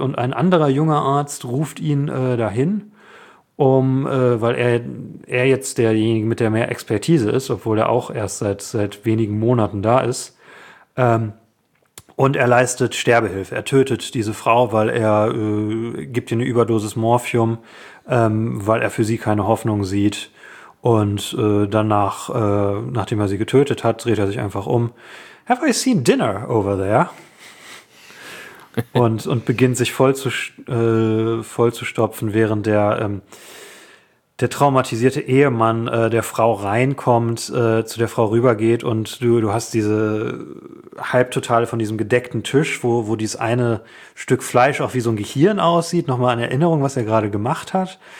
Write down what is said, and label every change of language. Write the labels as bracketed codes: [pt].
[de] Und ein anderer junger Arzt ruft ihn dahin, weil er jetzt derjenige mit der mehr Expertise ist, obwohl er auch erst seit wenigen Monaten da ist. Und er leistet Sterbehilfe. Er tötet diese Frau, weil er gibt ihr eine Überdosis Morphium, weil er für sie keine Hoffnung sieht. Und danach, nachdem er sie getötet hat, dreht er sich einfach um. [en] Have I seen dinner over there? [de] Und beginnt sich voll zu stopfen, während der traumatisierte Ehemann der Frau reinkommt, zu der Frau rübergeht und du hast diese Halbtotale von diesem gedeckten Tisch, wo dieses eine Stück Fleisch auch wie so ein Gehirn aussieht, nochmal an Erinnerung, was er gerade gemacht hat.